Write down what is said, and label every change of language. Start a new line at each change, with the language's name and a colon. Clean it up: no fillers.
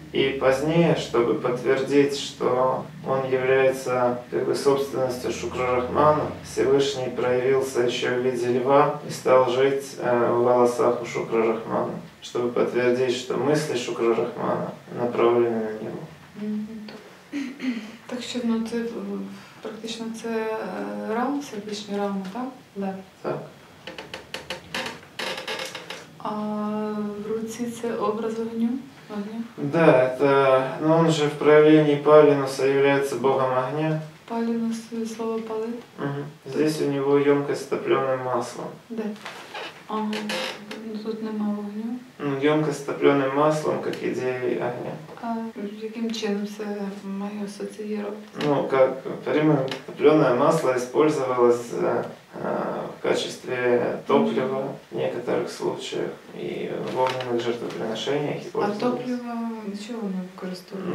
Russian: И позднее, чтобы подтвердить, что он является как бы собственностью Шукрарахмана, Всевышний проявился еще в виде льва и стал жить в волосах у Шукрарахмана, чтобы подтвердить, что мысли Шукрарахмана направлены на него.
Ukrainian: Так що, ну, це практично це Рам, це більше Рам, так? Лев. Так. А в руці це образ огню?
Russian: Да, это, ну, он же в проявлении Палинуса является богом огня. Палинус, слово палит. Угу. Здесь тут... у него емкость с топленым маслом.
Ukrainian: Да. А тут нема вогню?
Russian: Ну, емкость с топленым маслом, как идея огня.
Ukrainian: А яким чином це має асоціюватися? Ну, як, наприклад, топлене масло використовувалося в качестві топлива в деяких случаях і в огненних жертвоприношеннях. А топливо для чого воно використовується?